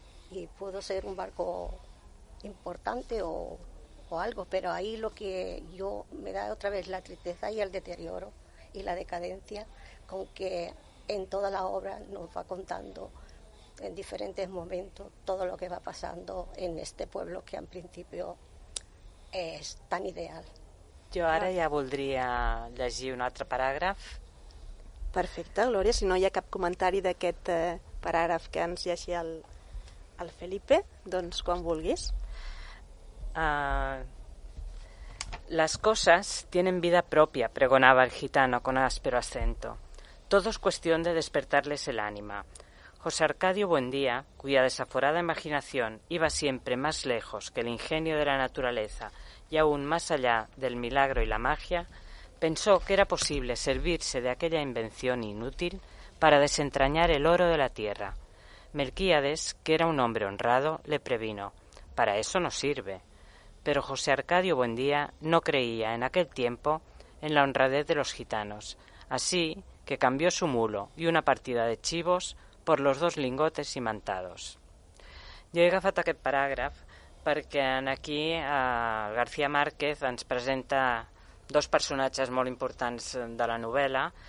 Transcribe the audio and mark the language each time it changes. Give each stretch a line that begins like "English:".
Spanish: y pudo ser un barco importante o algo, pero ahí lo que yo me da otra vez la tristeza y el deterioro y la decadencia con que en toda la obra nos va contando en diferentes momentos todo lo que va pasando en este pueblo que en principio es tan ideal.
Catalan: Jo ara ja voldria llegir un altre paràgraf. Perfecte, Glòria, si no hi ha cap comentari d'aquest paràgraf que ens llegi el Felipe, doncs quan vulguis.
Spanish: Las cosas tienen vida propia, pregonaba el gitano con áspero acento. Todo es cuestión de despertarles el ánima. José Arcadio Buendía, cuya desaforada imaginación iba siempre más lejos que el ingenio de la naturaleza y aún más allá del milagro y la magia, pensó que era posible servirse de aquella invención inútil para desentrañar el oro de la tierra. Melquíades, que era un hombre honrado, le previno: «Para eso no sirve». Pero José Arcadio Buendía no creía en aquel tiempo en la honradez de los gitanos, así que cambió su mulo y una partida de chivos por los dos lingotes imantados.
Catalan: Jo he agafat aquest paràgraf perquè aquí García Márquez ens presenta dos personatges molt importants de la novel·la.